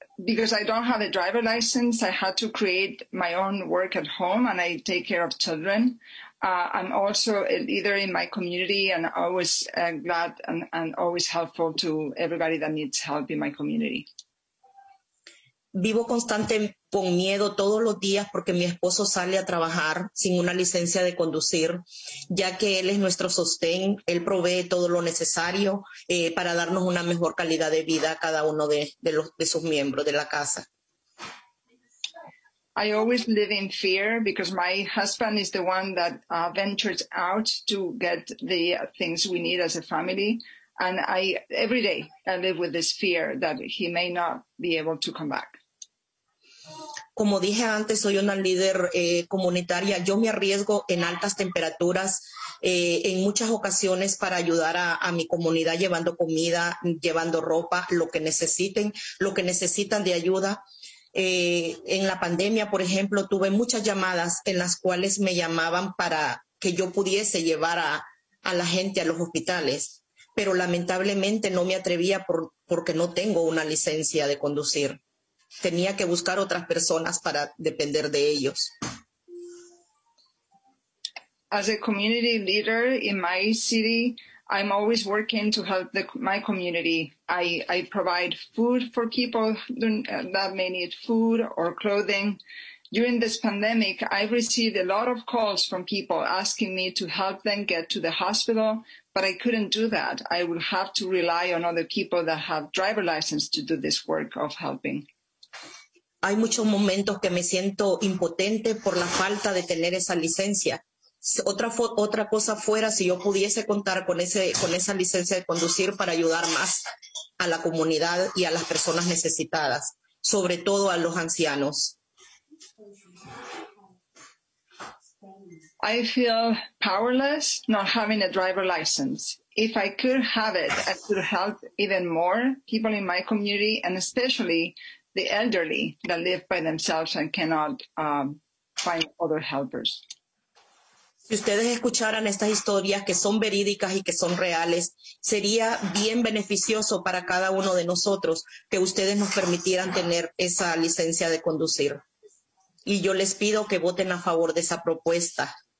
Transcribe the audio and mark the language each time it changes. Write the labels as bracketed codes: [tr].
[en] Because I don't have a driver license, I had to create my own work at home and I take care of children. I'm also a leader in my community and always glad and always helpful to everybody that needs help in my community. [es] Vivo constante con miedo todos los días porque mi esposo sale a trabajar sin una licencia de conducir, ya que él es nuestro sostén, él provee todo lo necesario para darnos una mejor calidad de vida a cada uno de sus miembros de la casa. [en] I always live in fear because my husband is the one that ventures out to get the things we need as a family. And every day I live with this fear that he may not be able to come back. [es] Como dije antes, soy una líder comunitaria. Yo me arriesgo en altas temperaturas en muchas ocasiones para ayudar a mi comunidad llevando comida, llevando ropa, lo que necesitan de ayuda. En la pandemia, por ejemplo, tuve muchas llamadas en las cuales me llamaban para que yo pudiese llevar a la gente a los hospitales, pero lamentablemente no me atrevía porque no tengo una licencia de conducir. Tenía que buscar otras personas para depender de ellos. [en] As a community leader in my city, I'm always working to help my community. I provide food for people that may need food or clothing. During this pandemic, I've received a lot of calls from people asking me to help them get to the hospital, but I couldn't do that. I would have to rely on other people that have driver license to do this work of helping. [es] Hay muchos momentos que me siento impotente por la falta de tener esa licencia. Otra cosa fuera si yo pudiese contar con esa licencia de conducir para ayudar más a la comunidad y a las personas necesitadas, sobre todo a los ancianos. [en] I feel powerless not having a driver license. If I could have it, I could help even more people in my community, and especially the elderly that live by themselves and cannot find other helpers. [es] Si ustedes escucharan estas historias que son verídicas y que son reales, sería bien beneficioso para cada uno de nosotros que ustedes nos permitieran tener esa licencia de conducir. Y yo les pido que voten a favor de esa propuesta.